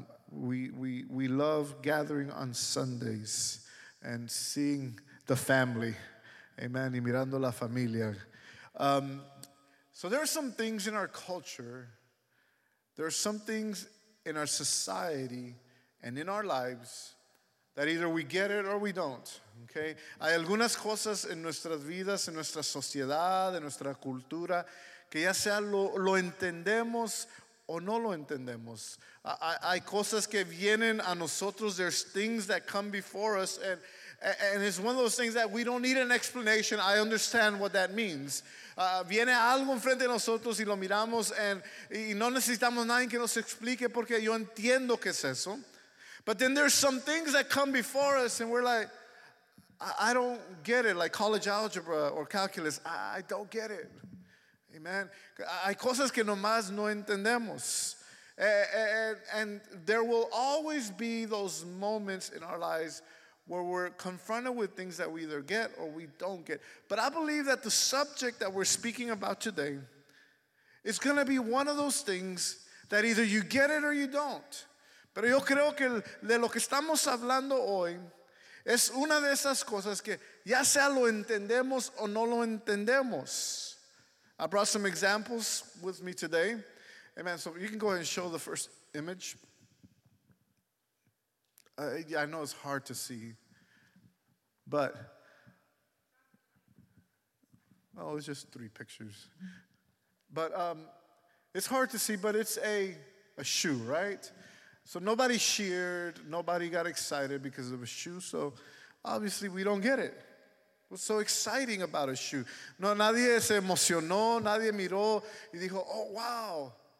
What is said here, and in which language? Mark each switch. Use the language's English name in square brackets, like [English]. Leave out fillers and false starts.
[English] We love gathering on Sundays and seeing the family. Amen. [Spanish] Y mirando la familia. [English] So there are some things in our culture. There are some things in our society and in our lives that either we get it or we don't, okay? [Spanish] Hay algunas cosas en nuestras vidas, en nuestra sociedad, en nuestra cultura, que ya sea lo entendemos o no lo entendemos. Hay cosas que vienen a nosotros, [English] there's things that come before us, and it's one of those things that we don't need an explanation. I understand what that means. [Spanish] Viene algo enfrente de nosotros y lo miramos, y no necesitamos nadie que nos explique porque yo entiendo qué es eso. [English] But then there's some things that come before us and we're like, I don't get it, like college algebra or calculus. I don't get it. Amen. [Spanish] Hay cosas que nomás no entendemos. [English] And there will always be those moments in our lives where we're confronted with things that we either get or we don't get. But I believe that the subject that we're speaking about today is going to be one of those things that either you get it or you don't. [Spanish] Pero yo creo que de lo que estamos hablando hoy es una de esas cosas que ya sea lo entendemos o no lo entendemos. [English] I brought some examples with me today. Amen. So you can go ahead and show the first image. Yeah, I know it's hard to see. But, well, it's just three pictures. But it's hard to see, but it's a shoe, right? So nobody cheered, nobody got excited because of a shoe, so obviously we don't get it. What's so exciting about a shoe? [Spanish] No, nadie se emocionó, nadie miró y dijo, oh, wow.